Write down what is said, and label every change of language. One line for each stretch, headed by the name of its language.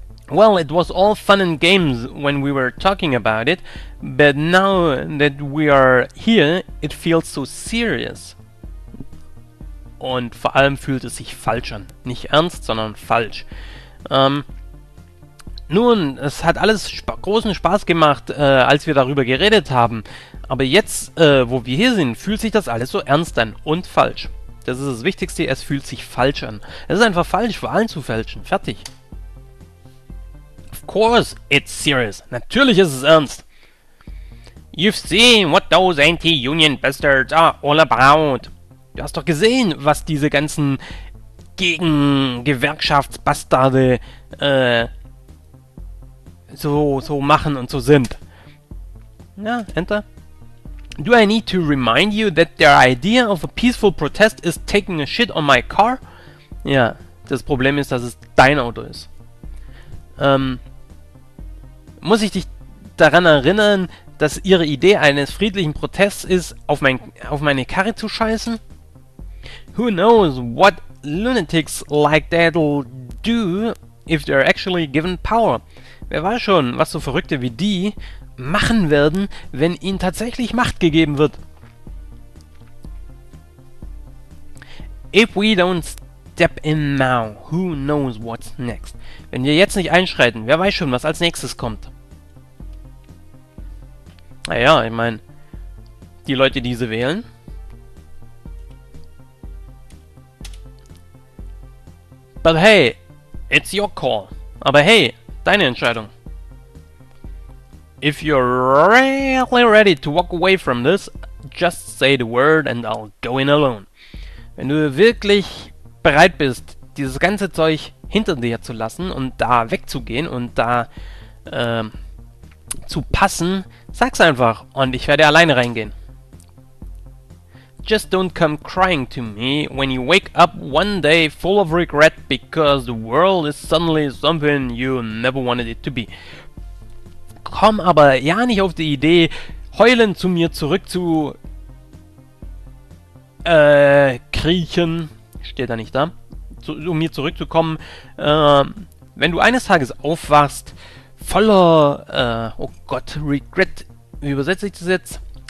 English: Well, it was all fun and games when we were talking about it, but now that we are here, it feels so serious.
German: Und vor allem fühlt es sich falsch an. Nicht ernst, sondern falsch. Nun, es hat alles großen Spaß gemacht, als wir darüber geredet haben. Aber jetzt, wo wir hier sind, fühlt sich das alles so ernst an und falsch. Das ist das Wichtigste, es fühlt sich falsch an. Es ist einfach falsch, Wahlen zu fälschen. Fertig.
English: Of course it's serious.
German: Natürlich ist es ernst.
English: You've seen what those anti-union bastards are all about.
German: Du hast doch gesehen, was diese ganzen Gegen-Gewerkschafts-Bastarde so machen und so sind. Ja, enter.
English: Do I need to remind you that their idea of a peaceful protest is taking a shit on my car?
German: Ja, das Problem ist, dass es dein Auto ist. Muss ich dich daran erinnern, dass ihre Idee eines friedlichen Protests ist, auf meine Karre zu scheißen?
English: Who knows what lunatics like that'll do if they're actually given power?
German: Wer weiß schon, was so Verrückte wie die machen werden, wenn ihnen tatsächlich Macht gegeben wird?
English: If we don't step in now, who knows what's next?
German: Wenn wir jetzt nicht einschreiten, wer weiß schon, was als nächstes kommt? Naja, ich meine, die Leute, die sie wählen.
English: But hey, it's your call.
German: Aber hey, deine Entscheidung.
English: If you're really ready to walk away from this, just say the word and I'll go in alone.
German: Wenn du wirklich bereit bist, dieses ganze Zeug hinter dir zu lassen und da wegzugehen und da zu passen, sag's einfach und ich werde alleine reingehen.
English: Just don't come crying to me when you wake up one day full of regret because the world is suddenly something you never wanted it to be.
German: Komm aber ja nicht auf die Idee, heulend zu mir zurück zu kriechen, steht da nicht da, um mir zurückzukommen, wenn du eines Tages aufwachst, voller, oh Gott, Regret, wie übersetze ich das jetzt?